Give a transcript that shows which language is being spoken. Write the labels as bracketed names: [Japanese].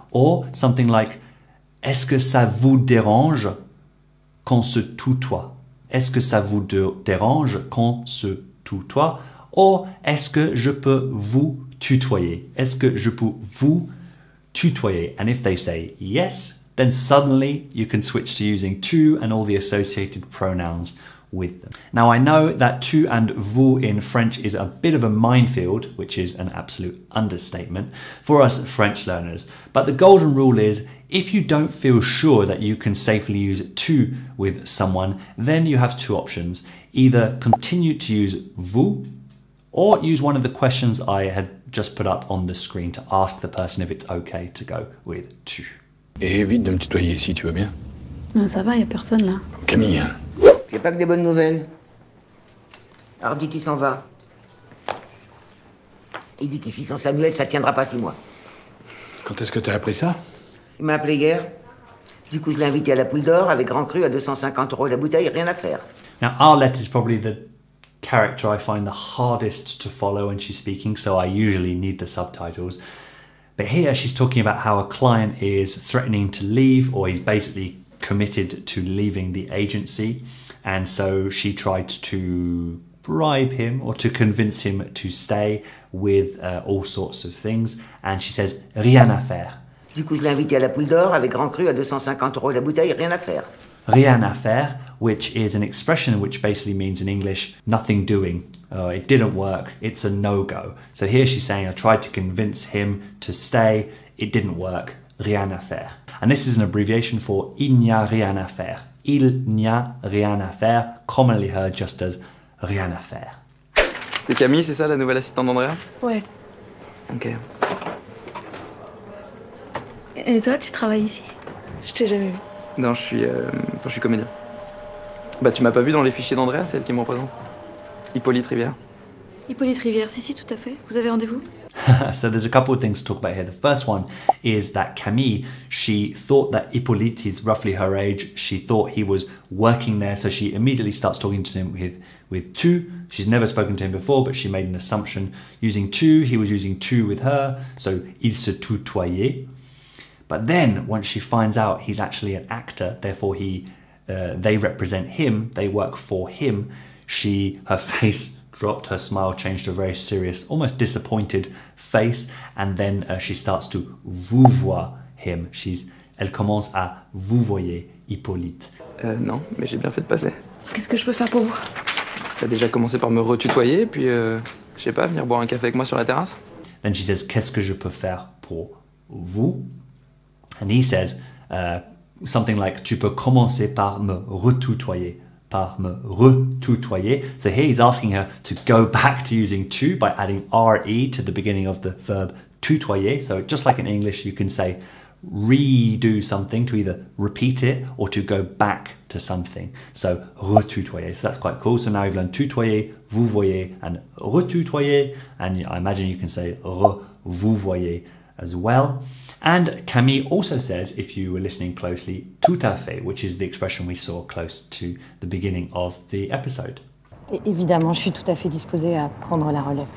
[French] Or something like, est-ce que ça vous dérange qu'on se tutoie? Est-ce que ça vous dérange qu'on se tutoie? Or est-ce que je peux vous tutoyer? Est-ce que je peux vous tutoyer? [English] And if they say yes, then suddenly you can switch to using tu and all the associated pronouns with them. Now I know that tu and vous in French is a bit of a minefield, which is an absolute understatement for us French learners, but the golden rule is, if you don't feel sure that you can safely use tu with someone, then you have two options. Either continue to use vous, or use one of the questions I had just put up on the screen to ask the person if it's okay to go with tu. [French] Évite de me tutoyer si tu veux bien. Non, ça va, y a personne là. Camille. J'ai pas que des bonnes nouvelles. Hardy, il s'en va. Il dit qu'ici, sans Samuel, ça tiendra pas 6 mois. Quand est-ce que t'as appris ça? Il m'a appelé hier. Du coup, je l'ai invité à la poule d'or avec grand cru à 250 euros la bouteille, rien à faire. [English] Now, Arlette is probably the character I find the hardest to follow when she's speaking, so I usually need the subtitles. But here, she's talking about how a client is threatening to leave, or he's basically committed to leaving the agency. And so she tried to bribe him or to convince him to stay with all sorts of things. And she says, [French] rien à faire. Du coup, je l'ai invité à la poule d'or avec grand cru à 250 euros la bouteille, rien à faire. Rien à faire, [English] which is an expression which basically means in English, nothing doing. It didn't work. It's a no-go. So here she's saying, I tried to convince him to stay. It didn't work. [French] Rien à faire. [English] And this is an abbreviation for [French] il n'y a rien à faire. Il n'y a rien à faire, [English] commonly heard just as [French] rien à faire. C'est Camille, c'est ça, la nouvelle assistante d'Andrea? Ouais. Ok. Et toi, tu travailles ici? Je t'ai jamais vu. Non, je suis comédien. Bah, tu m'as pas vu dans les fichiers d'Andrea, c'est elle qui me représente. Hippolyte Rivière. Hippolyte Rivière, si, si, tout à fait. Vous avez rendez-vous? [English] So there's a couple of things to talk about here. The first one is that Camille, she thought that Hippolyte is roughly her age. She thought he was working there. So she immediately starts talking to him with tu. She's never spoken to him before, but she made an assumption using tu. He was using tu with her. So [French] il se tutoyait. [English] But then once she finds out he's actually an actor, therefore they represent him, they work for him, her face dropped, her smile changed to a very serious, almost disappointed face, and then she starts to vouvoyer him. [French] Elle commence à vouvoyer Hippolyte. Non, mais j'ai bien fait de passer. Qu'est-ce que je peux faire pour vous? J'ai déjà commencé par me retutoyer, puis je sais pas, venir boire un café avec moi sur la terrasse. [English] Then she says, [French] qu'est-ce que je peux faire pour vous? [English] And he says something like, [French] tu peux commencer par me retutoyer. Par me retutoyer. [English] So here he's asking her to go back to using tu by adding re to the beginning of the verb tutoyer. So just like in English, you can say redo something to either repeat it or to go back to something. So retutoyer. So that's quite cool. So now you've learned tutoyer, vouvoyer, and retutoyer. And I imagine you can say revouvoyer as well. And Camille also says, if you were listening closely, [French] tout à fait, [English] which is the expression we saw close to the beginning of the episode. [French] Évidemment, je suis tout à fait disposée à prendre la relève.